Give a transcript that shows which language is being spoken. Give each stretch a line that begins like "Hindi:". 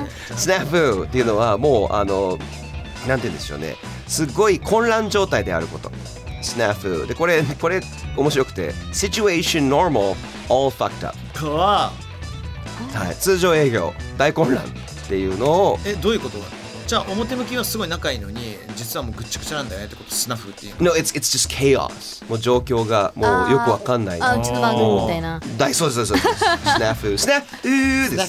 Japanese: SNAFU っていうのはもう、あの、なんて言うんでしょうね。すごい混乱状態であること。 SNAFU。で、これ面白くて、
English: Situation Normal, All Fucked Up。
Japanese: 怖っ。はい、通常営業大混乱っていうのをえどういうこと？じゃあ表向きはすごい仲いいのに実はもうぐっちゃぐちゃなんだよねってこと。スナフっていう
English: の No, it's just chaos。
Japanese: もう状況がもうよくわかんない。あ、うちの番組みたいな。大そうですそうですスナフスナフーです